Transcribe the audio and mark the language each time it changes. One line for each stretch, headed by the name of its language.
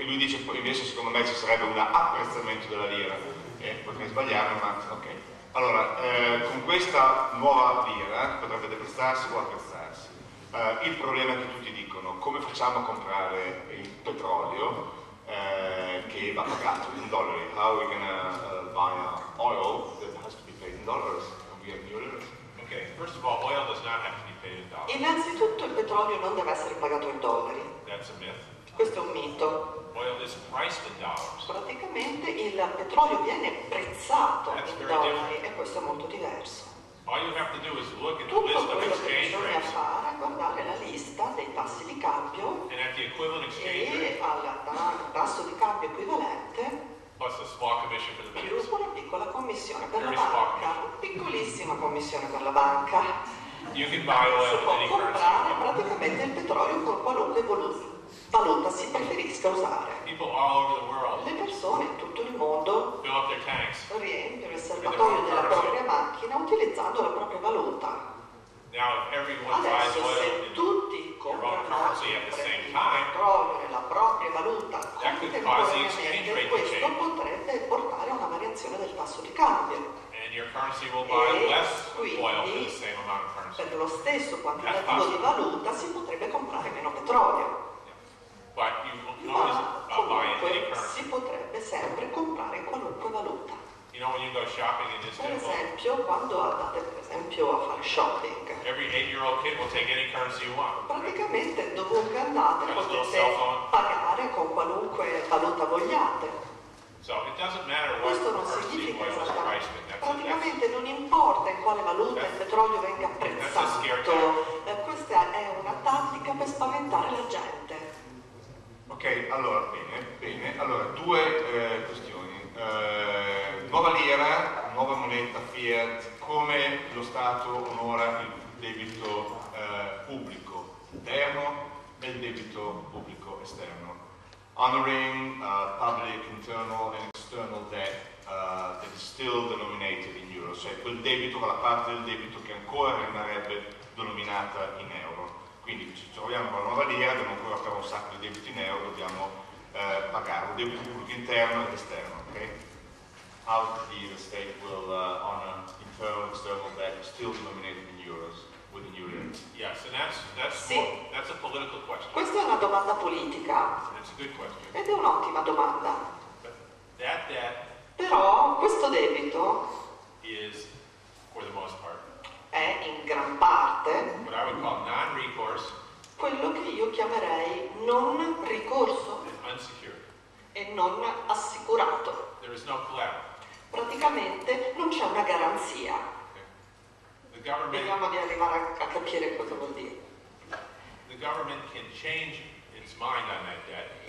Italian: E lui dice poi invece secondo me ci sarebbe un apprezzamento della lira. Potrei sbagliare, ma ok. Allora, con questa nuova lira potrebbe deprezzarsi o apprezzarsi. Il problema è che tutti dicono come facciamo a comprare il petrolio che va pagato in dollari.
English: How are we gonna buy oil that has to be paid in dollars and we have new liras? Okay, first of all, oil does not have to be paid in dollars.
Italian: Innanzitutto il petrolio non deve essere pagato in dollari.
English: That's a myth.
Italian: Questo è un mito.
English: Oil is priced in dollars.
Italian: Praticamente il petrolio viene prezzato in dollari e questo è molto diverso.
English: All you have to do is look at the list of exchange rates.
Italian: Fare, guardare la lista dei tassi di cambio
English: and at the equivalent exchange
Italian: e al tasso di cambio equivalente
English: plus a small commission for the bank.
Italian: Più una piccola commissione per la banca, piccolissima commissione per la banca.
English: You can buy oil with any
Italian: comprare praticamente il petrolio con qualunque valuta si preferisca usare.
English: People all over the world
Italian: le persone in tutto il mondo
English: fill up their tanks
Italian: riempiono il serbatoio della propria macchina utilizzando la propria valuta.
English: Now, if everyone
Italian: adesso
English: buys
Italian: se
English: oil
Italian: tutti comprano il petrolio nella propria valuta contemporaneamente questo potrebbe portare a una variazione del tasso di cambio.
English: And your currency will buy
Italian: e
English: less quindi, oil for the same amount of currency.
Italian: Per lo stesso quantitativo di valuta si potrebbe comprare meno petrolio. Yeah.
English: But you will always buy in any currency.
Italian: Si potrebbe sempre comprare in qualunque valuta.
English: You know, when you go shopping in this
Italian: per esempio, quando andate per esempio a fare shopping,
English: every 8-year-old kid will take any currency you want.
Italian: Praticamente dovunque andate potete pagare con qualunque valuta vogliate.
English: So it doesn't matter what
Italian: questo non significa esattamente. Praticamente non importa in quale valuta il petrolio venga apprezzato. Questa è una tattica per spaventare la gente. Ok, allora, bene, bene. Allora, due questioni. Nuova lira, nuova moneta, fiat, come lo Stato onora il debito pubblico interno e il debito pubblico esterno?
English: Honoring public internal and external debt that is still denominated in euro,
Italian: cioè quel debito, quella parte del debito che ancora rimarrebbe denominata in euro. Quindi ci troviamo con la nuova lira, dobbiamo ancora fare un sacco di debiti in euro, dobbiamo pagare un debito pubblico interno ed esterno, ok?
English: How the state will honor internal and external debt still denominated in euros within euro? Yes, and that's sì. More, that's a political question.
Italian: Questa è una domanda politica.
English: It's a good question.
Italian: Ed è un'ottima domanda.
English: That debt.
Italian: Però questo debito
English: is, for the most part,
Italian: è in gran parte
English: what I would call non-recourse,
Italian: quello che io chiamerei non ricorso
English: unsecured.
Italian: E non assicurato.
English: There is no collateral.
Italian: Praticamente non c'è una garanzia.
English: The government,
Italian: vediamo di arrivare a capire cosa vuol dire.
English: The government can change its mind on that debt.